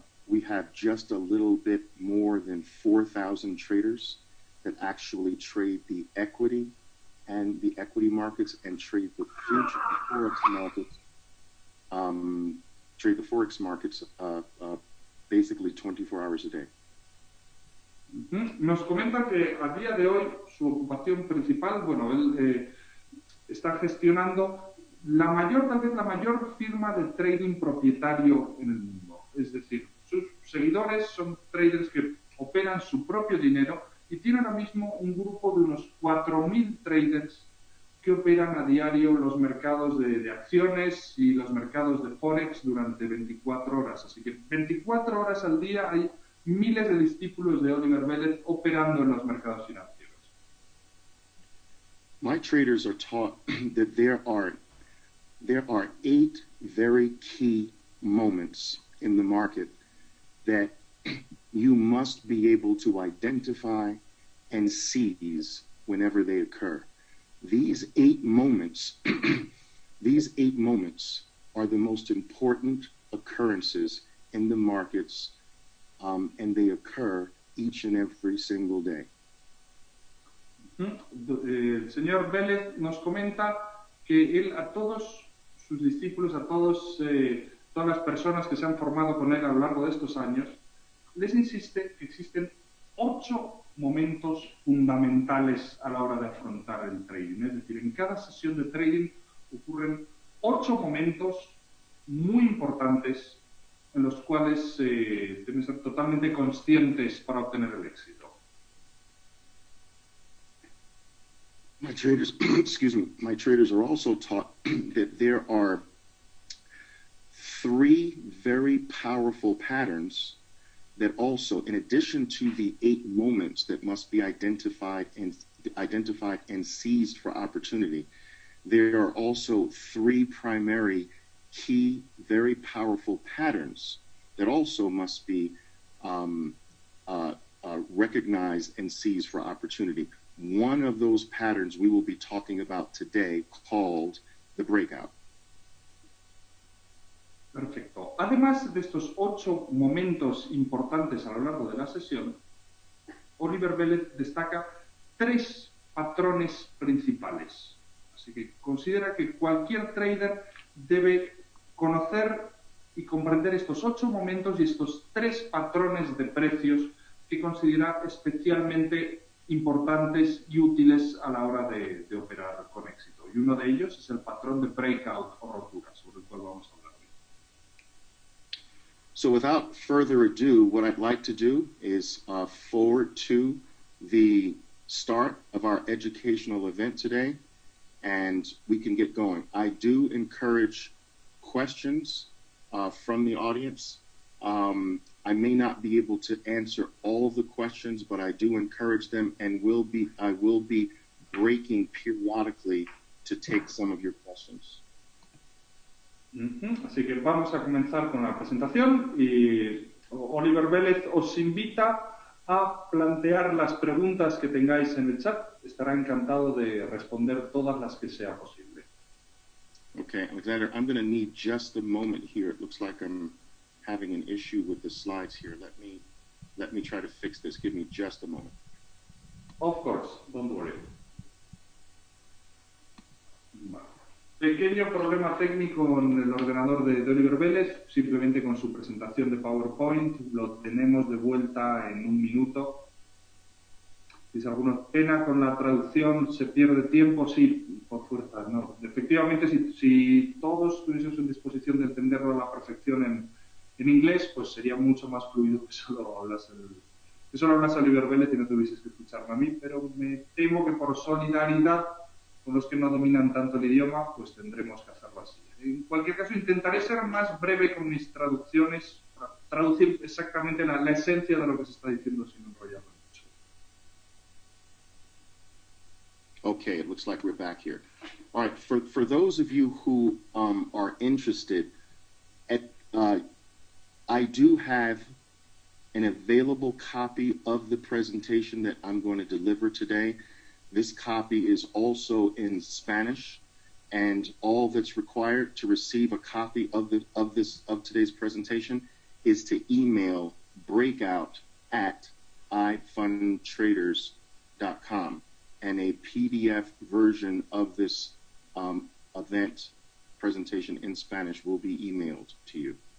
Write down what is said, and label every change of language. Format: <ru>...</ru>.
<en>We have just a little bit more than 4,000 traders that actually trade the equity and the equity markets and trade the future forex markets. Trade the forex markets basically 24 hours a day.</en> <es>Nos comenta que a día de hoy su ocupación principal, bueno, él está gestionando la mayor, tal vez la mayor firma de trading propietario en el mundo. Es decir, sus seguidores son traders que operan su propio dinero y tiene ahora mismo un grupo de unos 4.000 traders que operan a diario los mercados de acciones y los mercados de forex durante 24 horas. Así que 24 horas al día hay miles de discípulos de Oliver Vélez operando en los mercados financieros.</es> <en>My traders are taught that there are eight very key moments in the market that you must be able to identify and seize whenever they occur. These eight moments are the most important occurrences in the markets. And they occur each and every single day.</en> <es>El señor Vélez nos comenta que él a todos sus discípulos, a todos todas las personas que se han formado con él a lo largo de estos años, les insiste que existen ocho momentos fundamentales a la hora de afrontar el trading. Es decir, en cada sesión de trading ocurren ocho momentos muy importantes en los cuales deben ser totalmente conscientes para obtener el éxito.</es> <en>My traders, excuse me, my traders are also taught that there are three very powerful patterns that also, in addition to the eight moments that must be identified and seized for opportunity, there are also three primary key, very powerful patterns that also must be recognized and seized for opportunity. One of those patterns we will be talking about today called the breakout.</en> <es>Perfecto. Además de estos ocho momentos importantes a lo largo de la sesión, Oliver Vélez destaca tres patrones principales. Así que considera que cualquier trader debe conocer y comprender estos ocho momentos y estos tres patrones de precios que considera especialmente importantes y útiles a la hora de operar con éxito. Y uno de ellos es el patrón de breakout o rotura, sobre el cual vamos a hablar hoy.</es> <en>So without further ado, what I'd like to do is forward to the start of our educational event today, and we can get going. I do encourage questions from the audience. I may not be able to answer all the questions, but I do encourage them, and I will be breaking periodically to take some of your questions. Mm-hmm.</en> <es>Así que vamos a comenzar con la presentación y Oliver Vélez os invita a plantear las preguntas que tengáis en el chat. Estará encantado de responder todas las que sea posible.</es> <en>Okay, Alexander, I'm going to need just a moment here. It looks like I'm having an issue with the slides here. Let me try to fix this. Give me just a moment. Of course, don't worry.</en> <es>Pequeño problema técnico en el ordenador de Oliver Vélez. Simplemente con su presentación de PowerPoint lo tenemos de vuelta en un minuto. Si alguna pena con la traducción, se pierde tiempo, sí, por fuerza, no. Efectivamente, si todos estuviésemos en disposición de entenderlo a la perfección en inglés, pues sería mucho más fluido que solo hablas a Oliver Vélez y no tuvieses que escucharme a mí, pero me temo que por solidaridad con los que no dominan tanto el idioma, pues tendremos que hacerlo así. En cualquier caso, intentaré ser más breve con mis traducciones, para traducir exactamente la esencia de lo que se está diciendo sin enrollarme mucho.</es> <en>Okay, it looks like we're back here. All right, for those of you who are interested, I do have an available copy of the presentation that I'm going to deliver today. This copy is also in Spanish, and all that's required to receive a copy of today's presentation is to email breakout@ifundtraders.com, and a PDF version of this event presentation in Spanish will be emailed to you.</en>